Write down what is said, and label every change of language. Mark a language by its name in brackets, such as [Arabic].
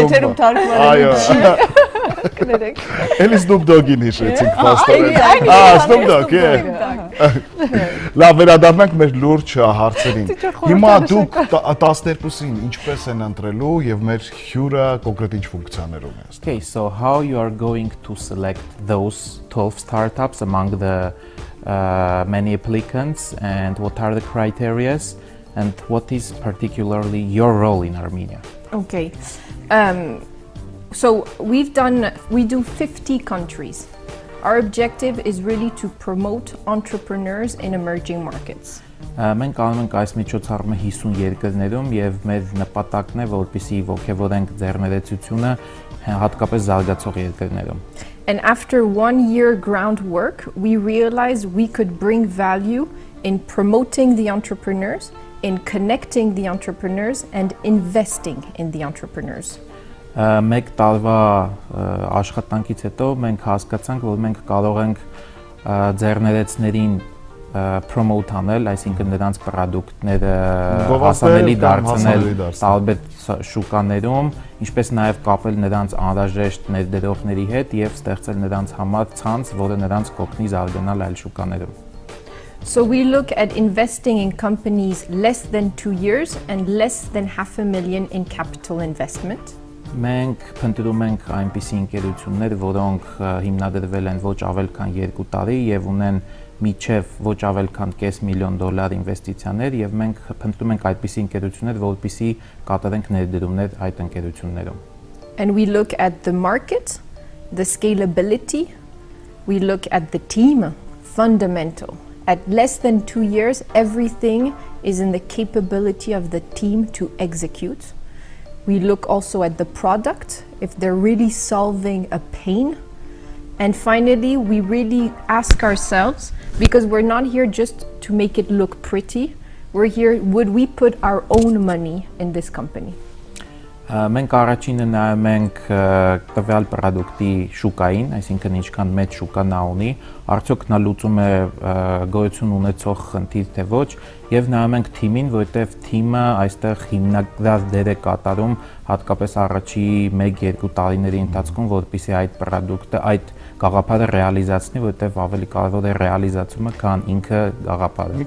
[Armenian] Եթերում թարգմանելու չի։ Էլի Snoop Dogg-ին հիշեցինք փաստորեն։ [English] Snoop Dogg, yeah. [Armenian] Լավ, վերադառնանք մեր լուրջ հարցերին։ Հիմա դուք 12-ին ինչպես են ընտրելու եւ մեր հյուրը կոնկրետ ինչ ֆունկցիաներ ունի։ [English] Okay, so how you are going to select those 12 startups among the many applicants, and what are the criteria, and what is particularly your role in Armenia? Okay, so we do 50 countries. Our objective is really to promote entrepreneurs in emerging markets. [Armenian] Մենք կանում ենք այս միջոցառումը 50 երկրներում եւ մեր նպատակն է որպեսի ոգևորենք ձեռներեցությունը հատկապես զարգացող երկրներում. [English] And after 1 year groundwork, we realized we could bring value in promoting the entrepreneurs, in connecting the entrepreneurs, and investing in the entrepreneurs. [Armenian] Մեկ տարվա աշխատանքից հետո մենք հասկացանք, որ մենք կարող ենք ձեռներեցներին promote անել, այսինքն նրանց product-ները հասանելի դարձնել տարբեր շուկաներում, ինչպես նաև կապել նրանց անհրաժեշտ ներդրողների հետ եւ ստեղծել նրանց համար ցանց, որը նրանց կօգնի զարգանալ այլ շուկաներում. [English] So we look at investing in companies less than 2 years and less than $500,000 in capital investment. [Armenian] Մենք փնտրում ենք այնպիսի ընկերություններ, որոնք հիմնադրվել են ոչ ավել քան 2 տարի եւ ունեն միջև ոչ ավել քան $500,000 ինվեստիցիաներ եւ մենք փնտրում ենք այդպիսի ընկերություններ, որտիսի կատարենք ներդրումներ այդ ընկերություններում. [English] And we look at the market, the scalability, we look at the team, fundamental. At less than 2 years, everything is in the capability of the team to execute. We look also at the product, if they're really solving a pain. And finally, we really ask ourselves, because we're not here just to make it look pretty, we're here, would we put our own money in this company? [Armenian] Մենք առաջինը նայում ենք տվյալ product-ի շուկային, այսինքն ինչքան մեծ շուկան ունի, արդյոք նա լուծում է գոյություն ունեցող խնդիր թե ոչ, եւ նայում ենք թիմին, որտեղ թիմը այստեղ հիմնական դեր է կատարում հատկապես առաջի 1-2 տարիների ընթացքում, որպեսզի այդ product-ը, այդ գաղափարը ռեալիզացնի, որտեղ ավելի կարևոր է ռեալիզացումը, քան ինքը գաղափարը։